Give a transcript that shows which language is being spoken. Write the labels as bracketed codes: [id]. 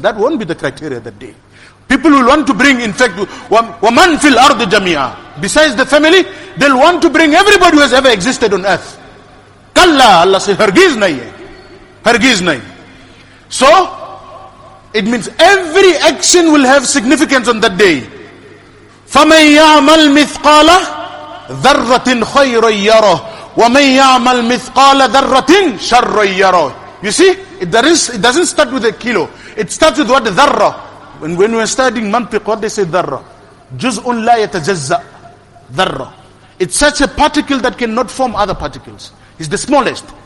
[en] That won't be the criteria that day. People will want to bring, in fact, [ar] وَمَنْ فِي الْأَرْضِ جَمِيعًا. [en] Besides the family, they'll want to bring everybody who has ever existed on earth. Allah says, [ur] "Hargiz nahi hai, hargiz nahi." [en] So it means every action will have significance on that day. [ar] فَمَنْ يَعْمَلْ مِثْقَالَ ذَرَّةٍ خَيْرًا يَرَهُ وَمَنْ يَعْمَلْ مِثْقَالَ ذَرَّةٍ شَرًّا يَرَهُ. [en] You see, it doesn't start with a kilo. It starts with what? Dharra. When we're studying mantiq, what they say? [ar] Dharra. جُزْءٌ لَا يَتَجَزَّأ. Dharra. [en] It's such a particle that cannot form other particles. Is the smallest.